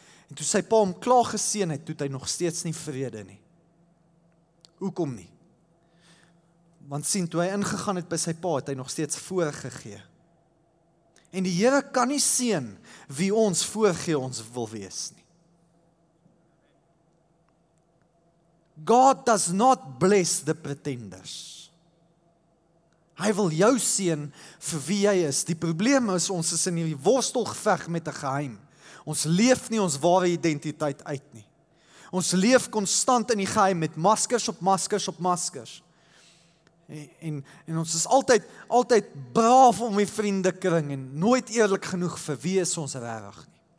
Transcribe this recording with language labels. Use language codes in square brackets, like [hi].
[af] En toe sy pa hom klaar geseën het, het hy nog steeds nie vrede nie. Hoekom nie? Want sien, toe hy ingegaan het by sy pa, het hy nog steeds voorgegee. En die Here kan nie seën wie ons voorgee ons wil wees nie. [en] God does not bless the pretenders. [af] Hy wil jou seën vir wie jy is. Die probleem is, ons is in hierdie worstelgeveg met 'n geheim. Ons leef nie ons ware identiteit uit nie. Ons leef konstant in die geheim met maskers op maskers op maskers. En ons is altyd braaf om die vriendekring en nooit eerlik genoeg vir wie is ons reg nie.